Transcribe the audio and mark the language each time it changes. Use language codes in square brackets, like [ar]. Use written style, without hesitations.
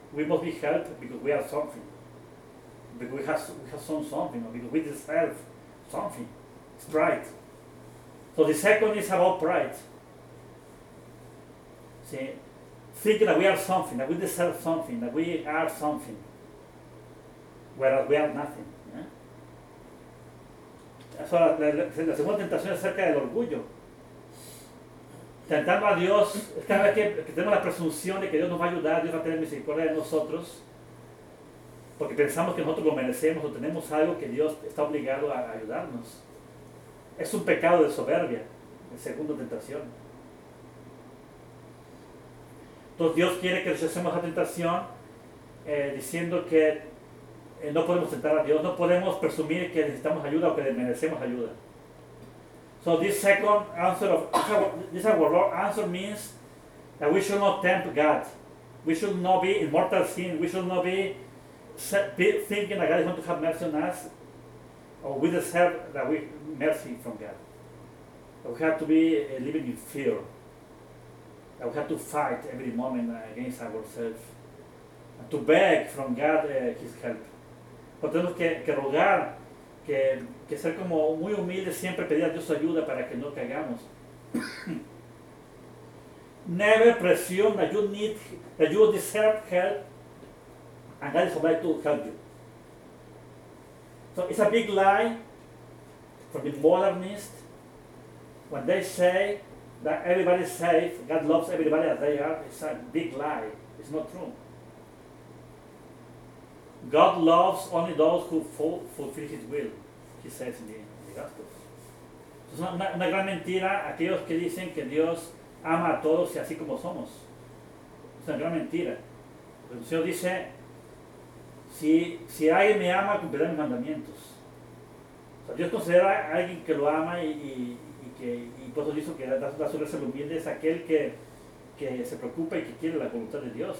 [en] we must be helped because we are something. Because we have some something, or because we deserve something. It's pride. So the second is about pride. See, think that we are something, that we deserve something, that we are something, whereas we are nothing. [es] Eso, la segunda tentación es acerca del orgullo. Tentando a Dios, cada vez que tenemos la presunción de que Dios nos va a ayudar, Dios va a tener misericordia de nosotros, porque pensamos que nosotros lo merecemos o tenemos algo que Dios está obligado a ayudarnos. Es un pecado de soberbia, la segunda tentación. Entonces Dios quiere que rechacemos la tentación diciendo que no podemos tentar a Dios, no podemos presumir que necesitamos ayuda o que merecemos ayuda. [en] So this second answer of this our answer means that we should not tempt God. We should not be in mortal sin. We should not be thinking that God is going to have mercy on us, or we deserve that we mercy from God. That we have to be living in fear. That we have to fight every moment against ourselves and to beg from God His help. [es] Pero tenemos que rogar. Que ser como muy humilde, siempre pedir a Dios ayuda para que no caigamos. [en] Never presume that you need, that you deserve help, and God is about to help you. So it's a big lie from the modernists when they say that everybody is safe, God loves everybody as they are. It's a big lie. It's not true. God loves only those who fulfill His will. He says in the Gospels. [es] Es una gran mentira aquellos que dicen que Dios ama a todos y así como somos. Es una gran mentira. El Señor dice, si alguien me ama, cumplirá mis mandamientos. O sea, Dios considera a alguien que lo ama y por eso dice que da su gracia al humilde, es aquel que se preocupa y que quiere la voluntad de Dios.